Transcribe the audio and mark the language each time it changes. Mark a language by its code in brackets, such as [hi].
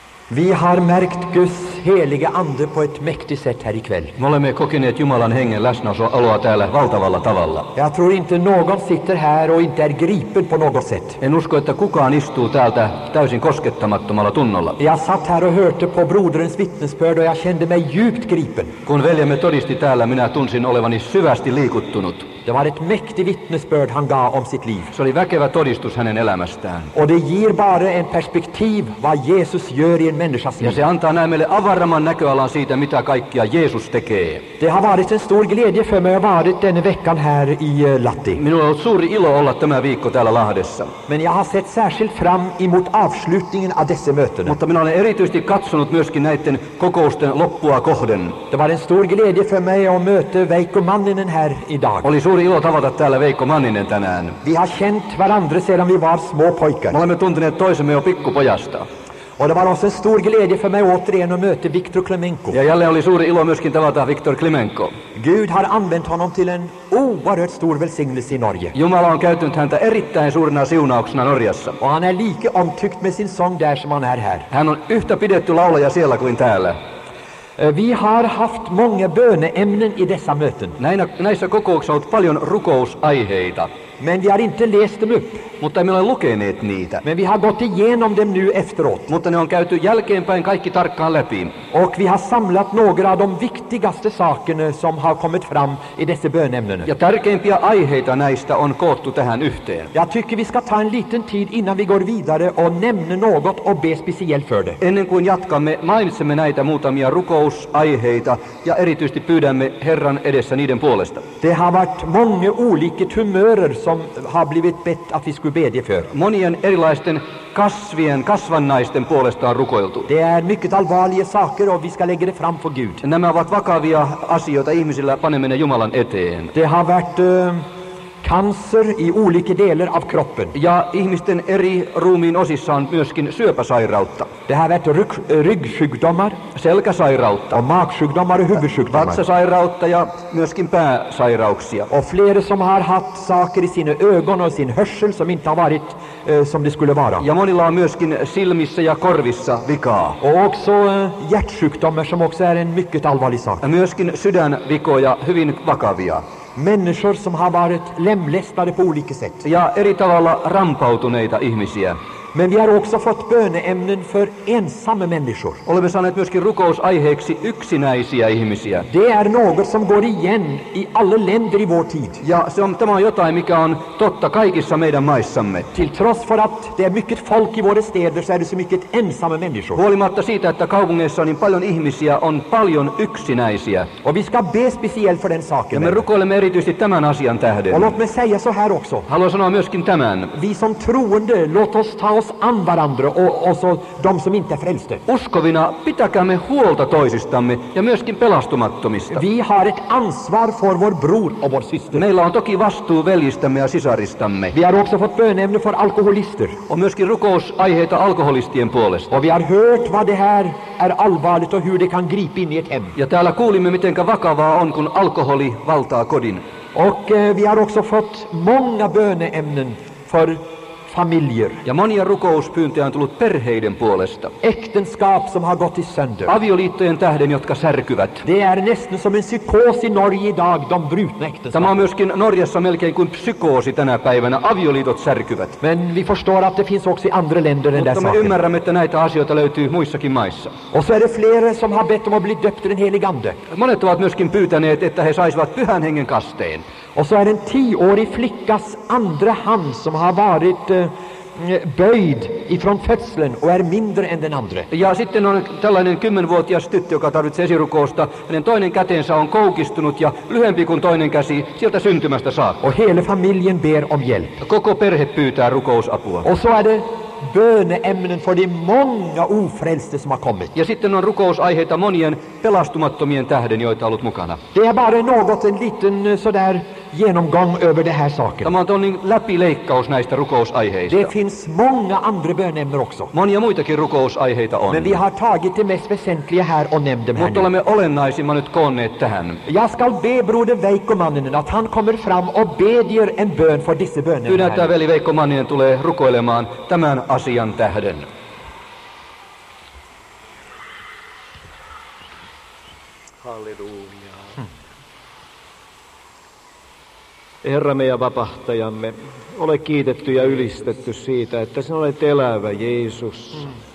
[sv] Vi har märkt Guds helige ande på ett mäktigt sätt här ikväll. [fi] Me olemme kokeneet Jumalan hengen läsnäoloa aloa täällä valtavalla tavalla. [sv] Jag tror inte någon sitter här och inte är gripen på något sätt. [fi] En usko, että kukaan istuu täältä täysin koskettamattomalla tunnolla. [sv] Jag satt här och hörte på broderens vittnesbörd och jag kände mig djupt gripen. [fi] Kun veljemme todisti täällä, minä tunsin olevani syvästi liikuttunut. [sv] Det var ett mäktigt vittnesbörd han gav om sitt liv. [fi] Se oli väkevä todistus hänen elämästään. [sv] Och det ger bara en perspektiv vad Jesus gör i en människas liv. [fi] Ja se antaa näin meille avaramman näköalan siitä, mitä kaikkia Jeesus tekee. [sv] Det har varit en stor glädje för mig att vara denna veckan här i Lahti. [fi] Minulla on ollut suuri ilo olla tämä viikko täällä Lahdessa. [sv] Men jag har sett särskilt fram emot avslutningen av dessa möten. [fi] Mutta minä olen erityisesti katsonut myöskin näiden kokousten loppua kohden. [sv] Det var en stor glädje för mig att möta Veikko Manninen här idag. [fi] Suuri ilo tavata täällä Veikko Manninen tänään. [sv] Vi har känt varandra sedan vi var små pojkar. [fi] Me olemme tunteneet toisemme jo pikkupojasta. [sv] Och det var också en stor glädje för mig återigen att möta Viktor Klimenko. [fi] Ja jälleen oli suuri ilo myöskin tavata Viktor Klimenko. [sv] Gud har använt honom till en oerhört stor välsignelse i Norge. [fi] Jumala on käyttänyt häntä erittäin suurena siunauksena Norjassa. [sv] Och han är lika omtyckt med sin sång där som han är här. [fi] Hän on yhtä pidetty laulaja siellä kuin täällä. [sv] Vi har haft många böneämnen i dessa möten. [fi] Näissä kokouksissa on paljon rukousaiheita. [sv] Men vi har inte läst dem upp. [fi] Mutta emme ole lukeneet niitä. [sv] Men vi har gått igenom dem nu efteråt. [fi] Mutta ne on käyty jälkeenpäin kaikki tarkkaan läpi. [sv] Och vi har samlat några av de viktigaste sakerna som har kommit fram i dessa böneämnen. [fi] Ja tärkeimpiä aiheita näistä on koottu tähän yhteen. [sv] Jag tycker vi ska ta en liten tid innan vi går vidare och nämna något och be speciellt för det. [fi] Ennen kuin jatkamme, mainitsemme näitä muutamia rukousaiheita ja erityisesti pyydämme Herran edessä niiden puolesta. [sv] Det har varit många olika tumörer som har blivit bett att vi skulle bedja för. [fi] Monien erilaisten kasvien, kasvannaisten puolesta on rukoiltu. [sv] Det är mycket allvarliga saker och vi ska lägga det fram för Gud. [fi] Nämä ovat vakavia asioita ihmisillä paneminen Jumalan eteen. [sv] Det har varit cancer i olika delar av kroppen. [fi] Ja ihmisten eri ruumiin osissa on myöskin syöpäsairautta. [sv] Det har varit ryggsjukdomar. [fi] Selkäsairautta. [sv] Och magsjukdomar och huvudsjukdomar. [fi] Vatsasairautta ja myöskin pääsairauksia. [sv] Och flera som har haft saker i sina ögon och sin hörsel som inte har varit som det skulle vara. [fi] Ja monilla on myöskin silmissä ja korvissa vikaa. [sv] Och också hjärtsjukdomar som också är en mycket allvarlig sak. [fi] Ja myöskin sydänvikoja hyvin vakavia. [sv] Människor som har varit lemlästade på olika sätt. [fi] Ja eri tavalla rampautuneita ihmisiä. [sv] Men vi har också fått böneämnen för ensamma människor. [fi] Olemme saaneet myöskin rukousaiheeksi yksinäisiä ihmisiä. [sv] Det är något som går igen i alla länder i vår tid. [fi] Ja se on, tämä on jotain, mikä on totta kaikissa meidän maissamme. [sv] Till trots för att det är mycket folk i våra städer så är det så mycket ensamma människor. [fi] Huolimatta siitä, että kaupungeissa on niin paljon ihmisiä, on paljon yksinäisiä. [sv] Och vi ska be speciellt för den saken. [fi] Ja me rukoilemme erityisesti tämän asian tähden. [sv] Och låt mig säga så här också. [fi] Haluan sanoa myöskin tämän. [sv] Vi som troende, låt oss ta oss an varandra och så de som inte är frälste. [fi] Uskovina, pitäkäämme huolta toisistamme ja myöskin pelastumattomista. [sv] Vi har ett ansvar för vår bror och vår syster. [fi] Meillä on toki vastuu veljistämme ja sisaristamme. [sv] Vi har också fått böneämne för alkoholister. Och [fi] myöskin rukousaiheita alkoholistien puolesta. [sv] Och vi har hört vad det här är allvarligt och hur det kan gripa in i ett hem. [fi] Ja täällä kuulimme, mitenkä vakavaa on, kun alkoholi valtaa kodin. [sv] Och vi har också fått många böneämnen för familjer. [fi] Ja monia rukouspyyntöjä on tullut perheiden puolesta. [sv] Äktenskap som har gått i sönder. [fi] Avioliittojen tähden, jotka särkyvät. [sv] Det är nästan som en psykos i Norge idag, de brutna äktenskap. [fi] Tämä on myöskin Norjassa melkein kuin psykoosi tänä päivänä. Avioliitot särkyvät. [sv] Men vi förstår att det finns också i andra länder än dessa. [fi] Mutta me ymmärrämme, että näitä asioita löytyy muissakin maissa. [sv] Och så är det flera som har bett om att bli döpt i den helige ande. [fi] Monet ovat myöskin pyytäneet, että he saisivat pyhän hengen kasteen. [sv] Och så är det en 10-årig flickas andra hand som har varit böjd ifrån födseln och är mindre än den andra. [fi] Ja sitten on tällainen 10-vuotias tyttö, joka tarvitsee esirukousta. Hänen toinen kätensä on koukistunut ja lyhempi kuin toinen käsi sieltä syntymästä saa. [sv] Och hela familjen ber om hjälp. [fi] Koko perhe pyytää rukousapua. [sv] Och så är det böneämnen för de många ofrälste som har kommit. [fi] Ja sitten on rukousaiheita monien pelastumattomien tähden, joita ollut mukana. [sv] Det är bara något, en liten sådär genomgång över det här saken. [fi] Tämä on tuollainen läpileikkaus näistä rukousaiheista. [sv] Det finns många andra böneämnen också. [fi] Monia muitakin rukousaiheita on. [sv] Men vi har tagit det mest väsentliga här och nämnt dem här. [fi] Mutta olemme olennaisimman nyt koonneet tähän. [sv] Jag ska be broder Veikko Manninen att han kommer fram och bedjer en bön för dessa böneämnen. [fi] Pyydetään veli Veikko Manninen tulee rukoilemaan tämän asian tähden. Halleluja. Herramme ja vapahtajamme, ole kiitetty ja ylistetty siitä, että sinä olet elävä Jeesus.